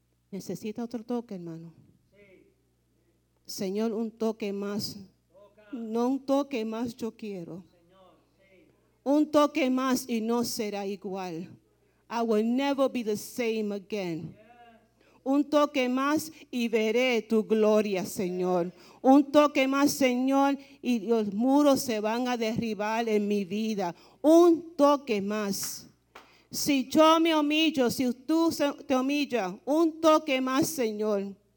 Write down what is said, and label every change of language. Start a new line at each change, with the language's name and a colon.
Spanish: ¿Necesita otro toque, hermano? Sí. Señor, un toque más. Toca. No un toque más yo quiero. Señor, sí. Un toque más y no será igual.
English: I will never be the same again.
Spanish: Un toque más y veré tu gloria, Señor. Un toque más, Señor, y los muros se van a derribar en mi vida. Un toque más. Si yo me humillo, si tú te humillas, un toque más, Señor.